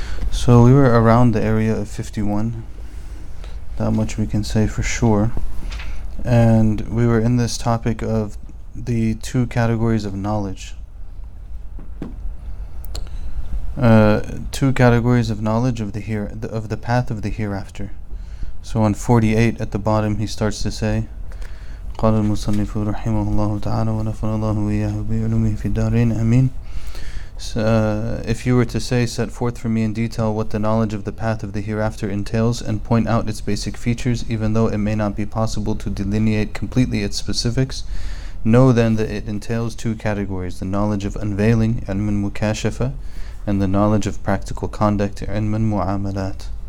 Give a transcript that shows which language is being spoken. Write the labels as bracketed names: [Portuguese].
[English] So we were around the area of 51, that much we can say for sure, and we were in this topic of the two categories of knowledge. Two categories of knowledge of the path of the hereafter. So on 48 at the bottom he starts to say, [Arabic] قال المصنف رحمه الله تعالى ونفر الله وياه بعلمه في الدارين أمين. [English] If you were to say, set forth for me in detail what the knowledge of the path of the hereafter entails and point out its basic features, even though it may not be possible to delineate completely its specifics, know then that it entails two categories, the knowledge of unveiling, [Arabic] علم المكاشفة, [English] and the knowledge of practical conduct, [Arabic] علم المعاملات.